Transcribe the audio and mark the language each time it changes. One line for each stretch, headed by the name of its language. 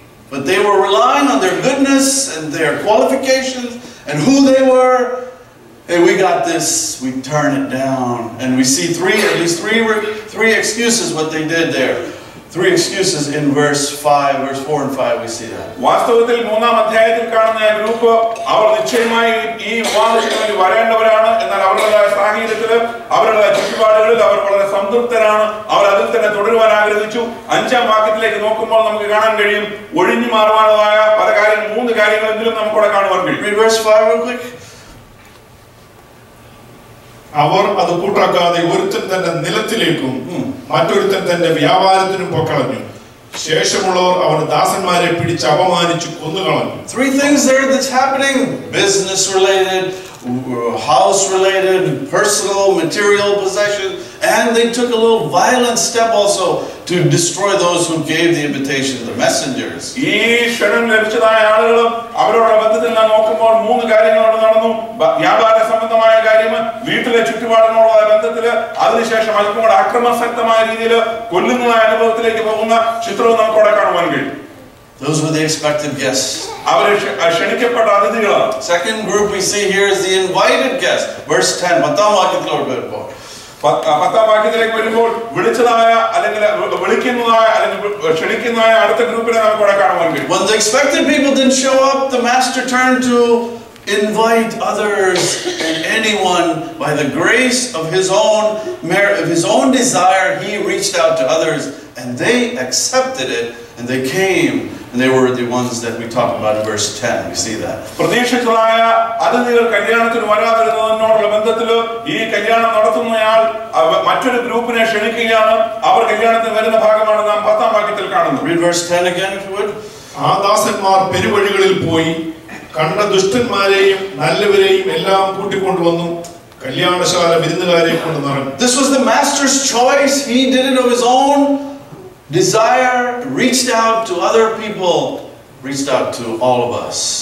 English: But they were relying on their goodness and their qualifications and who they were. Hey, we got this. We turn it down. And we see three excuses what they did there. Three excuses in verse 4 and 5, we see that.
Malayalam: വാസ്തവത്തിൽ മൂന്നാം അധ്യായത്തിൽ കാണുന്ന group അവർ നിശ്ചയമായി ഈ വിവാഹത്തിനുവേണ്ടി വരേണ്ടവരാണ്. എന്നാൽ അവരുടെ സാഹചര്യത്തിലും അവരുടെ ചുറ്റുപാടുകളിൽ അവർ വളരെ സംതൃപ്തരാണ്. അവർ അതിൽ തന്നെ തുടരുവാൻ ആഗ്രഹിച്ചു. അഞ്ചാം വാക്യത്തിലേക്ക് നോക്കുമ്പോൾ നമുക്ക് കാണാൻ കഴിയും ഒഴിഞ്ഞു മാറുവാനുള്ളതായ പല കാര്യങ്ങൾ, മൂന്ന് കാര്യങ്ങളെങ്കിലും നമുക്ക് അവിടെ കാണുവാൻ കഴിയും. അവർ അത് കൂട്ടാക്കാതെ ഒരുത്തൻ തന്റെ നിലത്തിലേക്കും മറ്റൊരുത്തൻ തന്റെ വ്യാപാരത്തിനും പൊക്കളഞ്ഞു. ശേഷമുള്ളവർ അവർ ദാസന്മാരെ പിടിച്ച് അപമാനിച്ചു കൊന്നുകളഞ്ഞു.
English: Three things there that's happening: business related, house related, personal material possession, and they took a little violent step also to destroy those who gave the invitation, the messengers.
Malayalam: ഈ ക്ഷണം ലഭിച്ചതായ ആളുകളും അവരോട് ബന്ധത്തിൽ നാം നോക്കുമ്പോൾ മൂന്ന് കാര്യങ്ങളോട് നടന്നു. വ്യാപാര സംബന്ധമായ കാര്യം, വീട്ടിലെ ചുറ്റുപാടിനോടുള്ള ബന്ധത്തില്, അതിനുശേഷം അല്പം കൂടെ ആക്രമണശക്തമായ രീതിയിൽ കൊല്ലുന്നതായ അനുഭവത്തിലേക്ക് പോകുന്ന ചിത്രവും നമുക്ക് അവിടെ കാണുവാൻ കഴിയും.
English: Those were the expected guests. Second group we see here is the invited guests. Verse 10,
Malayalam: പത്താം വാക്യത്തിലോട്ട് വരുമ്പോൾ,
English: when the expected people didn't show up, the master turned to invite others and anyone by the grace of his own merit, of his own desire, he reached out to others and they accepted it and they came. And they were the ones that we talked about in verse 10. We see that.
Malayalam: പ്രതീക്ഷിച്ചതായ അതിഥികൾ കല്യാണത്തിന് വരാതിരുന്നതിനോടുള്ള ബന്ധത്തിൽ ഈ കല്യാണം നടത്തുന്നയാൾ മറ്റൊരു ഗ്രൂപ്പിനെ ക്ഷണിക്കുകയാണ്. അവർ കല്യാണത്തിന് വരുന്ന ഭാഗമാണ് നാം പത്താം വാക്യത്തിൽ കാണുന്നത്.
English: Read verse 10 again, if you would.
Malayalam: ആ ദാസന്മാർ പെരുവഴികളിൽ പോയി കണ്ട ദുഷ്ടന്മാരെയും നല്ലവരെയും എല്ലാം കൂട്ടിക്കൊണ്ടുവന്നു. കല്യാണശാല വിരുന്നുകാരെ കൊണ്ട് നടന്നു.
English: This was the master's choice. He did it of his own desire, reached out to other people, reached out to all of us.